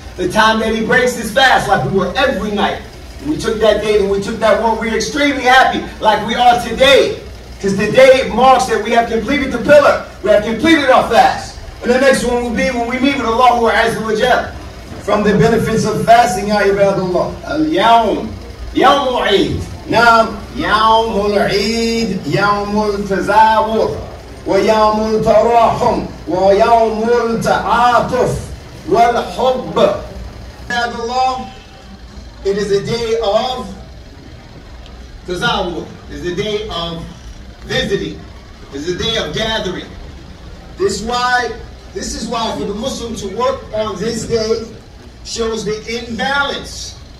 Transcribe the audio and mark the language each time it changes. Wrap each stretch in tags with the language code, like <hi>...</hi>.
<en>The time that he breaks his fast, like we were every night. We took that day and we took that one, we're extremely happy, like we are today. Because today marks that we have completed the pillar, we have completed our fast. And the next one will be when we meet with Allah Azza wa Jal. From the benefits of fasting, ya ibadullah, al-yawm, yawm al-eid,</en> <ar>نعم يوم العيد يوم التزاور ويوم التراحم ويوم التعاطف والحب.</ar> <en>عباد الله, it is a day of تزاور, is a day of visiting, is a day of gathering. This is why for the Muslim to work on this day shows the imbalance.</en>